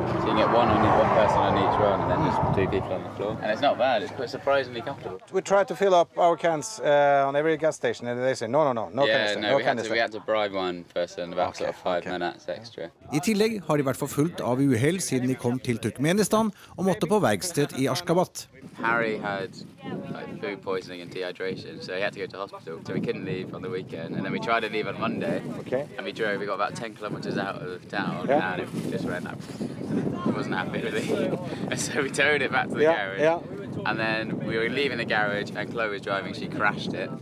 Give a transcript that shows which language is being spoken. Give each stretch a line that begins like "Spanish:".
English: So you get one person on each one, and then just two people on the floor. And it's not bad, it's quite surprisingly comfortable. We tried to fill up our cans on every gas station, and they say no canister. We had to bribe one person about five minutes extra.
Norwegian: I tillegg har de vært forfulgt av uhell siden de kom til Turkmenistan og måtte på verksted i Ashgabat.
English: Harry had like food poisoning and dehydration, so he had to go to hospital. So we couldn't leave on the weekend, and then we tried to leave on Monday. Okay. And we drove. We got about 10 kilometers out of town, yeah. And it just ran up. It wasn't happy really. And so we towed it back to the garage. Yeah. And then we were leaving the garage, and Chloe was driving. She crashed it.